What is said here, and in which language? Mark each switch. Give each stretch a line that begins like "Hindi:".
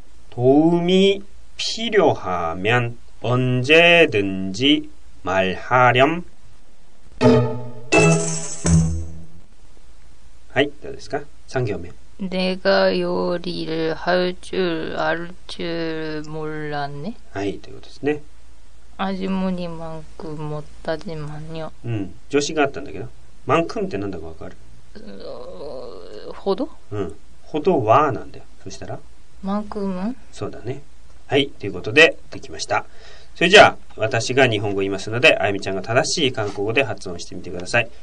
Korean: 도움이필요하면언제든지말하렴
Japanese: はい、どうですか ?3 行目。
Korean: 내가요리를할줄알줄몰랐네
Japanese: はい、ということですね。
Korean: 아주머니만큼못하지만요。
Japanese: うん、助詞があったんだけど、만큼って何だかわかる、ほど? うん、ほどはなんだよ。そしたら
Korean: 만큼은?
Japanese: そうだね。はい、ということで、できました。それじゃあ、私が日本語を言いますので、あゆみちゃんが正しい韓国語で発音してみてください。